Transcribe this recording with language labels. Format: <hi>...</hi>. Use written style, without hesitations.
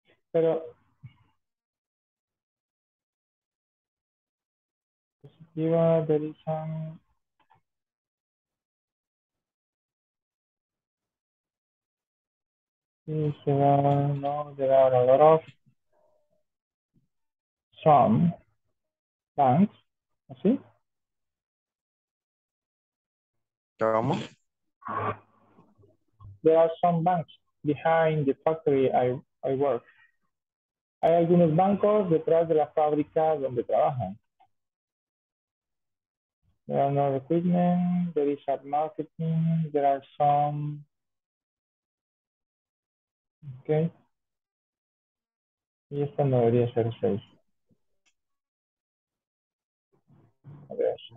<es>Pero positiva</es> <en>there is a no, there are a lot of some banks,</en> <es>así. ¿Cómo?</es> <en>There are some banks behind the factory I work.</en> <es>Hay algunos bancos detrás de la fábrica donde trabajan.</es> <en>There are no equipment, there is a marketing, there are some.</en> <es>Ok. Y esta no debería ser 6. A ver.</es>